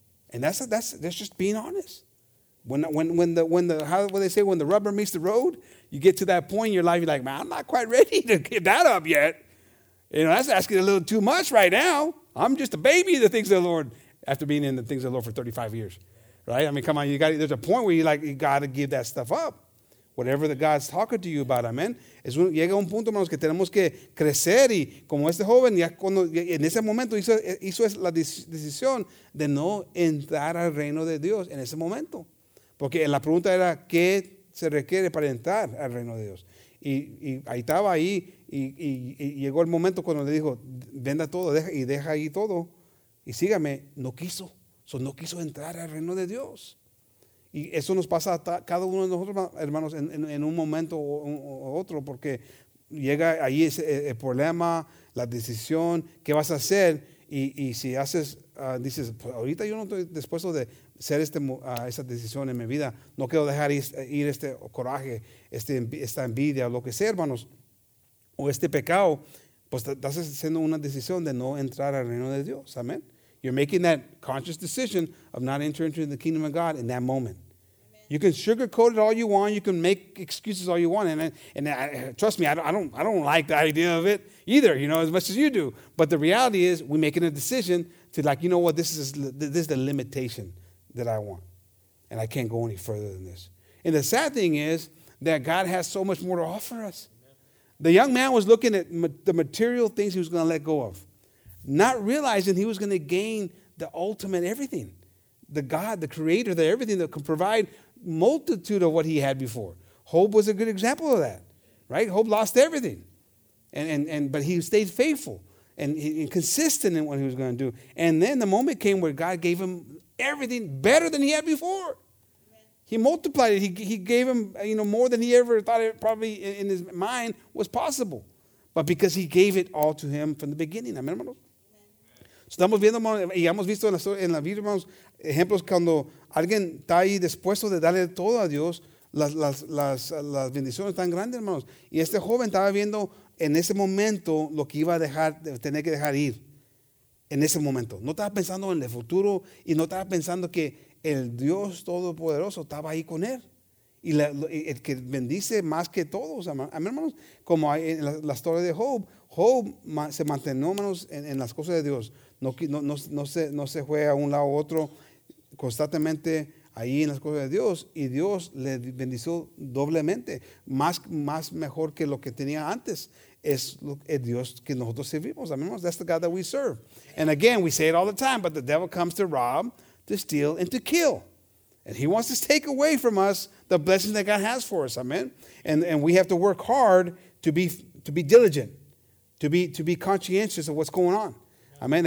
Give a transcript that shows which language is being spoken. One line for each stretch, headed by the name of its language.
English: And that's just being honest. When the rubber meets the road, you get to that point in your life, you're like, man, I'm not quite ready to get that up yet. You know, that's asking a little too much right now. I'm just a baby in the things of the Lord after being in the things of the Lord for 35 years, right? I mean, come on, there's a point where you're like, you got to give that stuff up. Whatever that God's talking to you about, amen.
Spanish: Llega un punto, hermanos, que tenemos que crecer. Y como este joven, ya cuando en ese momento hizo la decisión de no entrar al reino de Dios en ese momento. Porque la pregunta era, ¿qué se requiere para entrar al reino de Dios? Y ahí estaba ahí. Y llegó el momento cuando le dijo, venda todo y deja ahí todo y sígame. No quiso. No quiso entrar al reino de Dios. Y eso nos pasa a cada uno de nosotros, hermanos, en un momento o otro, porque llega ahí el problema, la decisión, qué vas a hacer. Y si haces, dices, ahorita yo no estoy dispuesto de hacer esa decisión en mi vida. No quiero dejar ir este coraje, esta envidia, lo que sea, hermanos, o este pecado, pues estás haciendo una decisión de no entrar al reino de Dios. Amén.
English: You're making that conscious decision of not entering into the kingdom of God in that moment. Amen. You can sugarcoat it all you want. You can make excuses all you want. And trust me, I don't like the idea of it either, you know, as much as you do. But the reality is we're making a decision to like, you know what, this is the limitation that I want. And I can't go any further than this. And the sad thing is that God has so much more to offer us. Amen. The young man was looking at the material things he was going to let go of, not realizing he was going to gain the ultimate everything, the God, the creator, the everything that could provide multitude of what he had before. Hob was a good example of that, right? Hob lost everything, but he stayed faithful and consistent in what he was going to do. And then the moment came where God gave him everything better than he had before. He multiplied it. He gave him, you know, more than he ever thought it probably in his mind was possible. But because he gave it all to him from the beginning.
Spanish: Amen, hermanos. Estamos viendo, y hemos visto en la Biblia, hermanos, ejemplos cuando alguien está ahí dispuesto de darle todo a Dios, las bendiciones tan grandes, hermanos. Y este joven estaba viendo en ese momento lo que iba a dejar, tener que dejar ir en ese momento. No estaba pensando en el futuro y no estaba pensando que el Dios Todopoderoso estaba ahí con él. Y el que bendice más que todos, amén, hermanos. Como hay en la historia de Job, Job se mantenió, hermanos, en las cosas de Dios. No se fue a un lado u otro, constantemente ahí en las cosas de Dios. Y Dios le bendició doblemente, más mejor que lo que tenía antes. Es el Dios que nosotros servimos, amén, hermanos.
English: That's the God that we serve. And again, we say it all the time, but the devil comes to rob, to steal, and to kill. And he wants to take away from us the blessing that God has for us. Amen. And we have to work hard to be diligent, to be conscientious of what's going on. Amen.